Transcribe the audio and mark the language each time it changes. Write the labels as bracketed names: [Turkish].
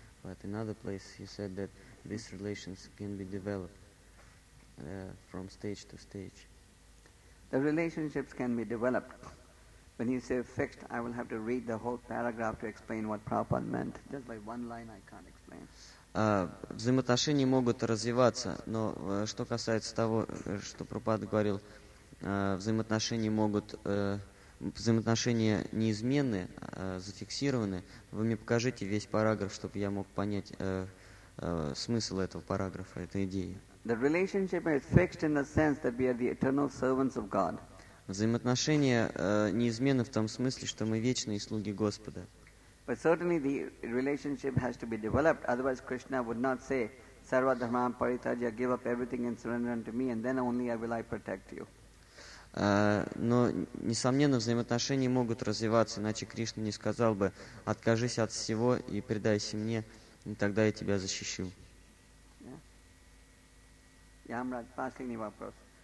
[English] But in another place, he said that these relations can be developed from stage to stage. The relationships can be developed. When you say fixed, I will have to read the whole paragraph to explain what Prabhupada meant. Just by one line, I can't explain. [Russian] Взаимоотношения могут развиваться, но что касается того, что Прабхупада говорил, взаимоотношения неизменны, зафиксированы. Вы мне покажите весь параграф, чтобы я мог понять смысл этого параграфа, этой идеи. [English] The relationship is fixed in the sense that we are the eternal servants of God. [Russian] Взаимоотношения неизменны в том смысле, что мы вечные слуги Господа. [English] But certainly the relationship has to be developed, otherwise Krishna would not say, [Sanskrit] Sarva Dharmam Paritajya, [English] give up everything and surrender unto me, and then only I will I protect you. [Russian] Но, несомненно, взаимоотношения могут развиваться, иначе Кришна не сказал бы, откажись от всего и предайся мне, и тогда я тебя защищу. Ямрад, последний вопрос.